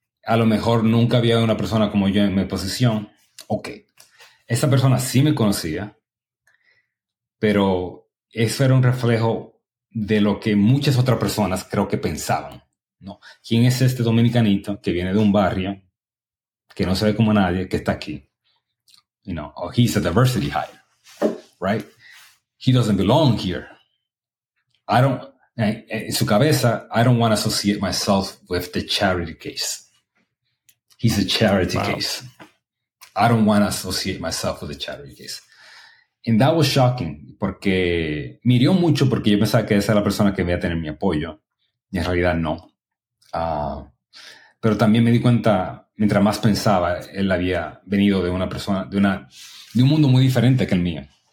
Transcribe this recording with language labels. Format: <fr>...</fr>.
<es>A lo mejor nunca había una persona como yo en mi posición. Ok, esa persona sí me conocía, pero eso era un reflejo de lo que muchas otras personas creo que pensaban, ¿no? ¿Quién es este dominicanito que viene de un barrio, que no se ve como nadie, que está aquí?</es> <en>You know, oh, he's a diversity hire, right? He doesn't belong here.</en> <es>En su cabeza,</es> <en>I don't want to associate myself with the charity case. He's a charity case. I don't want to associate myself with the charity case. And that was shocking,</en> <es>porque me hirió mucho, porque yo pensaba que esa era la persona que iba a tener mi apoyo, y en realidad no. Pero también me di cuenta, mientras más pensaba, él había venido de una persona, de un mundo muy diferente que el mío.</es>